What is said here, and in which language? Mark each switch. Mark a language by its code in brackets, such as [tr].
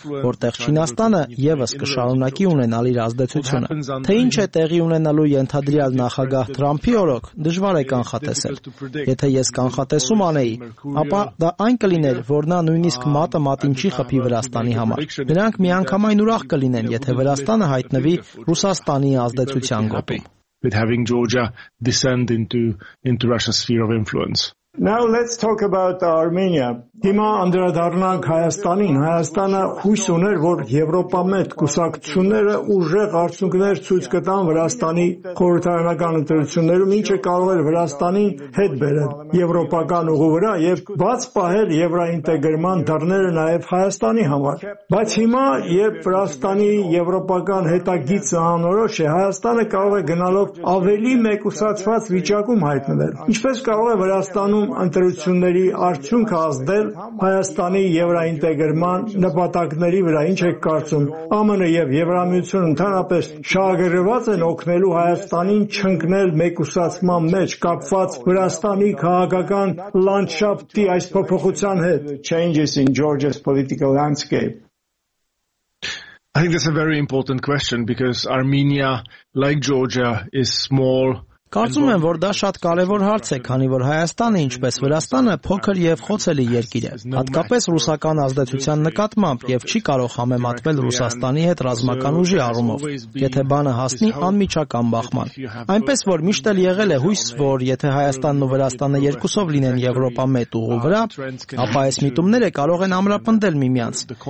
[hy] որտեղ Չինաստանը ևս կշարունակի ունենալ իր ազդեցությունը։ Թե ինչ է տեղի ունենալու ենթադրյալ նախագահ Թրամփի օրոք, դժվար է կանխատեսել։ Եթե ես կանխատեսում անեի, ապա դա այն կլիներ, որ նա նույնիսկ մատը մատին չի խփի Վրաստանի համար։ Նրանք միանգամայն ուրախ կլինեն, եթե Վրաստանը հայտնվի Ռուսաստանի ազդեցության գոտում։ [en] With having Georgia descend into Russia's sphere of influence. Now let's talk about Armenia. [hy] Հիմա անդրադառնանք Հայաստանին։ Հայաստանը հույս ուներ, որ Եվրոպա մեջ կուսակցությունները ուժեղ արդյունքներ ցույց կտան Վրաստանի խորհրդարանական ընտրություններում, ինչը կարող էր Վրաստանին հետ բերել եվրոպական ուղու վրա եւ բաց պահել եվրոինտեգրման դռները նաեւ Հայաստանի համար։ Բայց հիմա, երբ Վրաստանի եվրոպական հետագիծը անորոշ է, Հայաստանը կարող է գնալով ավելի մեկուսացված վիճակում հայտնվել։ Ինչպես կարող է Վրաստանում ընտրությունների արդյունքը ազդել Հայաստանի եվրոինտեգրման նպատակների վրա, ինչ եք կարծում, ԱՄՆ եւ Եվրամիությունը ընդհանրապես շահագրգռված են օգնելու Հայաստանին չընկնել մեկուսացման մեջ կապված Վրաստանի քաղաքական լանդշաֆտի այս փոփոխության հետ? [en] Changes in Georgia's political landscape. I think this is a very important question because Armenia, like Georgia, is small. [hy] Կարծում եմ, որ դա շատ կարևոր հարց է, քանի որ Հայաստանը, ինչպես Վրաստանը, փոքր եւ խոցելի երկիր է, հատկապես ռուսական ազդեցության նկատմամբ, եւ չի կարող համեմատվել Ռուսաստանի հետ ռազմական ուժի առումով, եթե բանը հասնի անմիջական բախման։ Այնպես որ միշտ էլ եղել է հույս, որ եթե Հայաստանն ու Վրաստանը երկուսով լինեն Եվրոպա մեծ ուղու վրա, ապա այս միտումները կարող են ամրապնդել միմյանց,